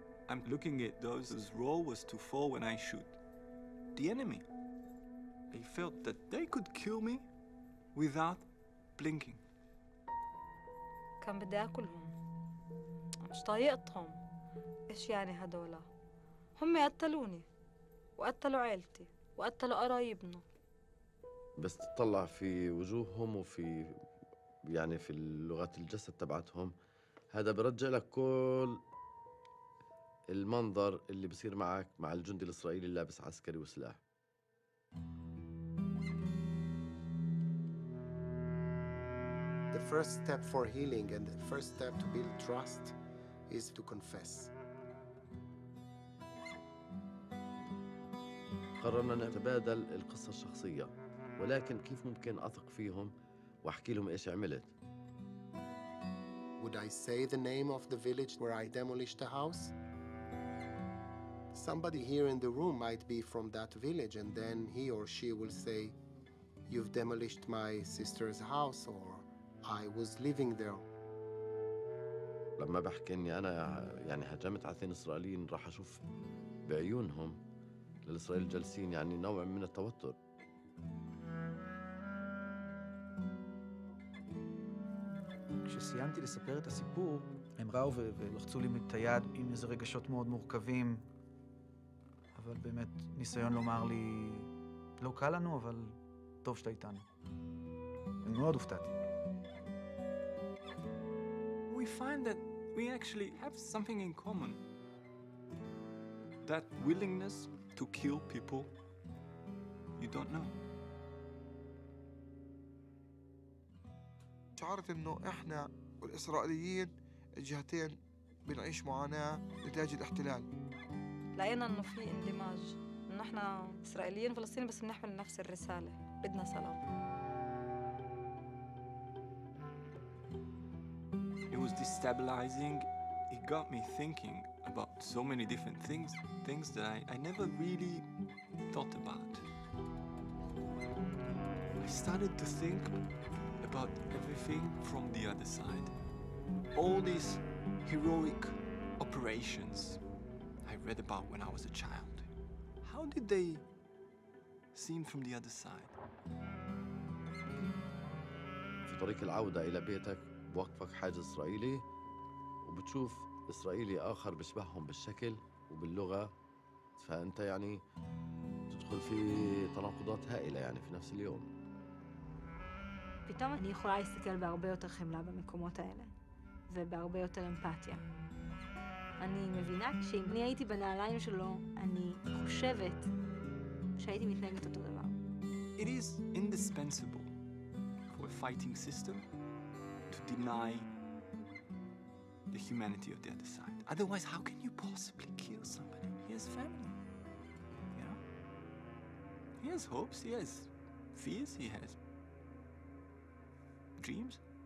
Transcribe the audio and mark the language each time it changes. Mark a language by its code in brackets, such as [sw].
[en] I'm looking at those whose role was to fall when I shoot. The enemy. They felt that they could kill me without blinking. [ar] كان بدي أكلهم. مش طايقتهم. إيش يعني هدولا؟ هم قتلوني وقتلوا عيلتي وقتلوا قرايبنا. بس تطلع في وجوههم وفي يعني في لغات الجسد تبعتهم، هذا بيرجع لك كل المنظر اللي بصير معك مع الجندي الإسرائيلي اللابس عسكري وسلاح. [en] The first step for healing and the first step to build trust is to confess. [ar] قررنا نتبادل القصة الشخصية، ولكن كيف ممكن أثق فيهم وأحكي لهم إيش عملت؟ [en] Would I say the name of the village where I demolished the house? Somebody here in the room might be from that village, and then he or she will say, you've demolished my sister's house, or I was living there. [ar] لما بحكي إني أنا يعني هجمت عثين إسرائيليين، راح أشوف بعيونهم للإسرائيل جالسين يعني نوع من التوتر. [he] כשסיימתי לספר את הסיפור, הם באו ולחצו לי את היד עם איזה רגשות מאוד מורכבים, אבל באמת ניסיון לומר לי, לא קל לנו, אבל טוב שאתה איתנו. אני מאוד הופתעתי. [en] We find that we actually have something in common. That willingness to kill people you don't know. [ar] شعرت انه احنا والاسرائيليين الجهتين بنعيش معاناه نتاج الاحتلال. لقينا انه في اندماج، انه احنا اسرائيليين فلسطينيين بس بنحمل نفس الرساله، بدنا سلام. [en] It was destabilizing. It got me thinking about so many different things, things that I never really thought about. I started to think about everything from the other side. All these heroic operations I read about when I was a child. How did they seem from the other side? [ar] في طريق العودة إلى بيتك بوقفك حاج إسرائيلي وبتشوف إسرائيلي آخر بشبههم بالشكل وباللغة، فأنت يعني تدخل في تناقضات هائلة يعني في نفس اليوم. [he] פתאום אני יכולה להסתכל בהרבה יותר חמלה במקומות האלה ובהרבה יותר אמפתיה. אני מבינה שאם אני הייתי בנעליים שלו, אני חושבת שהייתי מתנהגת אותו דבר. [en] It is indispensable for a fighting system to deny the humanity of the other side. Otherwise, how can you possibly kill somebody? He has family, you know? He has hopes, he has fears, he has dreams.